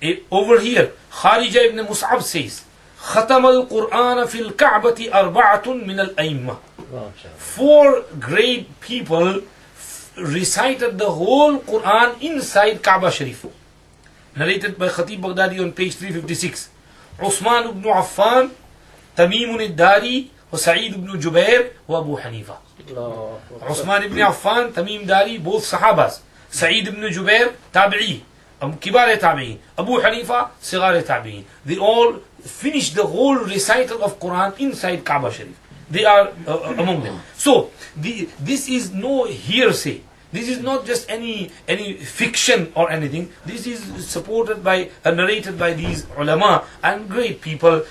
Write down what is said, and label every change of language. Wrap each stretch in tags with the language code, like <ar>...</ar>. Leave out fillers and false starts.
<ar>Over here, Kharija ibn Mus'ab says, خَتَمَ الْقُرْآنَ فِي الْكَعْبَةِ أَرْبَعَةٌ مِنَ الْأَيْمَةِ.</ar> <en>Four great people recited the whole Quran inside Kaaba Sharif. Narrated by Khatib Baghdadi on page 356.</en> <ar>عثمان بن عفان تميم الداري وسعيد بن جبير وابو حنيفه. عثمان بن عفان تميم داري بوث صحابه، سعيد بن جبير تابعي كبار التابعين، ابو حنيفه صغار التابعين.</ar> <en>They all finished the whole recital of Quran inside Kaaba Sharif. They are among them. So this is no hearsay. This is not just any fiction or anything. This is supported by narrated by these ulama and great people.</en>